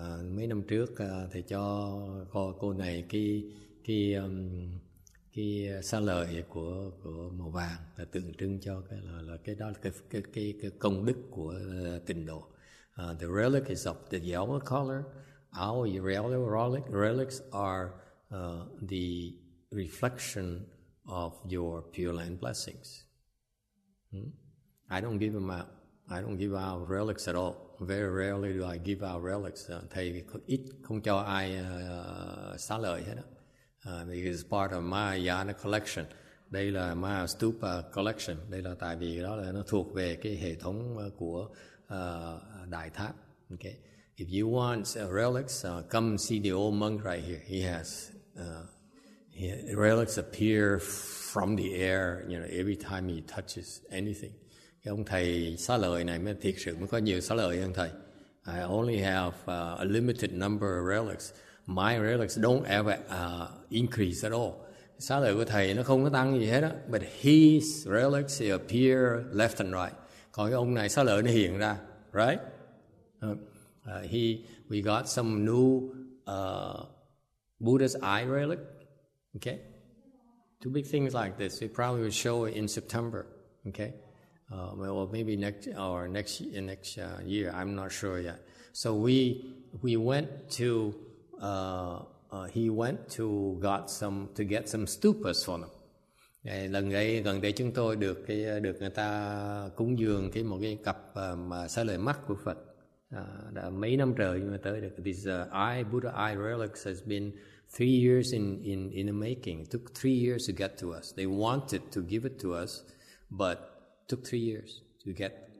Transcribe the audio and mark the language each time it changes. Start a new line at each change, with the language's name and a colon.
Vietnamese: Mấy năm trước thầy cho cô này cái xa lợi của màu vàng là tượng trưng cho cái công đức của tịnh độ.
English: The relic is of the yellow color. Our yellow relics are the reflection of your Pure Land blessings. I don't give them out. I don't give out relics at all. Very rarely do I give out relics.
Vietnamese: Thầy ít không cho ai xá lợi hết á.
English: Because it's part of my Mahayana collection.
Vietnamese: Đây là Mahastupa Collection. Đây là tại vì đó là nó thuộc về cái hệ thống của Đại Tháp.
English: Okay. If you want relics, come see the old monk right here. He has relics appear from the air, you know, every time he touches anything.
Vietnamese: Cái ông thầy xá lợi này mới thiệt sự mới có nhiều xá lợi hơn thầy.
English: I only have a limited number of relics. My relics don't ever increase at all.
Vietnamese: Xá lợi của thầy nó không có tăng gì hết á.
English: But his relics appear left and right.
Vietnamese: Còn cái ông này xá lợi nó hiện ra, right?
English: We got some new Buddha's eye relic. Okay, two big things like this. We probably will show it in September. Okay. Well, maybe next year. I'm not sure yet. So we went to get some stupas for them.
Vietnamese: Lần đây chúng tôi được người ta cúng dường cái một cái cặp mà xá lợi mắt của Phật đã mấy năm trời mới tới được.
English: This Buddha eye relics has been 3 years in the making. It took 3 years to get to us. They wanted to give it to us, but took 3 years to get.